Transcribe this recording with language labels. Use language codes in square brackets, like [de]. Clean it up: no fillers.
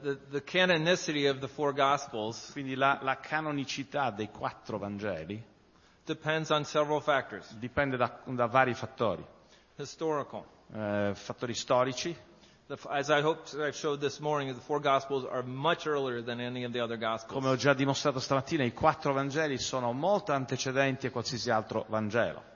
[en] The canonicity of the four Gospels, [it] quindi la canonicità dei quattro Vangeli, [en] depends on several factors. [it] Dipende da vari fattori. [en] Historical. [it] Fattori storici. [en] As I hope I've showed this morning, the four Gospels are much earlier than any of the other Gospels. [it] Come ho già dimostrato stamattina, i quattro Vangeli sono molto antecedenti a qualsiasi altro Vangelo.